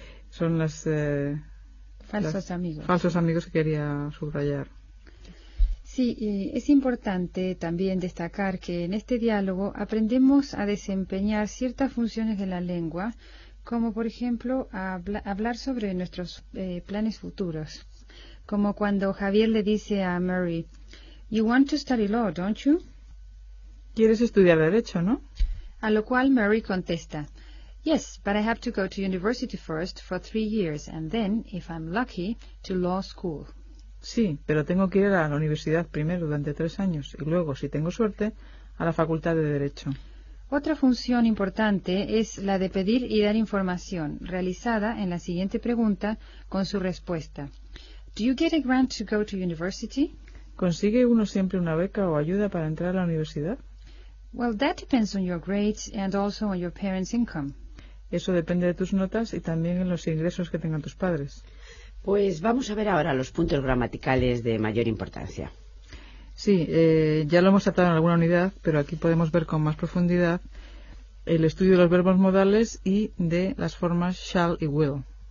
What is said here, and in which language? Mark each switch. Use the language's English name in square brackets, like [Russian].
[Spanish] Son las falsos amigos que quería subrayar. Sí, es importante también destacar que en este diálogo aprendemos a desempeñar ciertas funciones de la lengua, como por ejemplo hablar sobre nuestros planes futuros. Como cuando Javier le dice a Mary, [English] You want to study law, don't you? [Spanish] Quieres estudiar Derecho, ¿no? A lo cual Mary contesta, [English] Yes, but I have to go to university first for 3 years and then, if I'm lucky, to law school. [Spanish] Sí, pero tengo que ir a la universidad primero durante 3 años y luego, si tengo suerte, a la facultad de Derecho. Otra función importante es la de pedir y dar información, realizada en la siguiente pregunta con su respuesta. [English] Do you get a grant to go to university? [Spanish] ¿Consigue uno siempre una beca o ayuda para entrar a la universidad? [English] Well, that depends on your grades and also on your parents' income. [Spanish] Eso depende de tus notas y también en los ingresos que tengan tus padres. Pues vamos a ver ahora los puntos gramaticales de mayor importancia. Sí, ya lo hemos tratado en alguna unidad, pero aquí podemos ver con más profundidad el estudio de los verbos modales y de las formas shall y will.